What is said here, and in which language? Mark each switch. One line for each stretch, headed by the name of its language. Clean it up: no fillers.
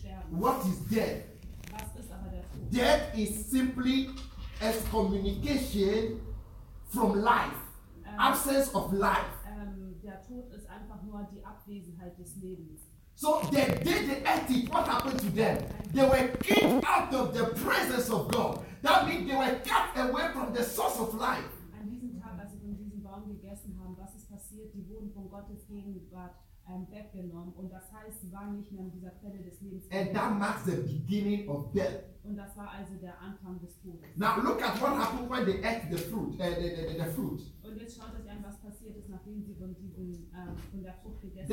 English: What is death? Death is simply excommunication from life, absence of life.
German: Der Tod ist einfach nur die Abwesenheit des Lebens.
English: So the day they ate it, what happened to them? They were kicked out of the presence of God. That means they were cut away from the source of life.
German: An diesem Tag, als sie von diesem Baum gegessen haben, was ist passiert? Die wurden von Gottes Gegenwart weggenommen. Und das heißt, sie waren nicht mehr an dieser Quelle des Lebens.
English: And that marks the beginning of death.
German: Und das war also der Anfang des Todes.
English: Now look at what happened when they ate the fruit. The fruit.
German: Und jetzt schaut euch an, was passiert ist, nachdem sie von der Frucht gegessen haben.